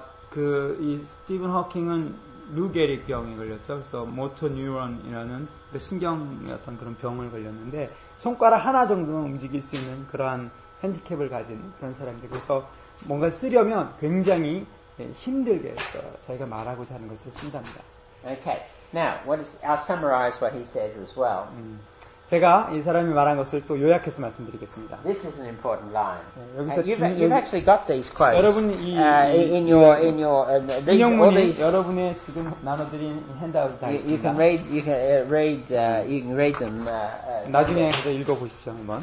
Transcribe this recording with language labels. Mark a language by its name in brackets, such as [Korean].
[Korean] 그 스티븐 호킹은 루게릭 병에 걸렸죠. 그래서 모터 뉴런이라는 신경의 어떤 그런 병을 걸렸는데 손가락 하나 정도만 움직일 수 있는 그러한 핸디캡을 가진 그런 사람들. 그래서 뭔가 쓰려면 굉장히 힘들게 자기가 말하고자 하는 것을 쓴답니다. [English] Okay. Now, I'll summarize what he says as well. [Korean] 제가 이 사람이 말한 것을 또 요약해서 말씀드리겠습니다. [English] This is an important line. You've actually got these quotes. [Korean] 여러분 [English] in your these [Korean] 여러분의 지금 나눠드린 핸드아웃이 다 있습니다. [English] You can read them. [Korean] 나중에 그거 읽어 보십시오, 한번.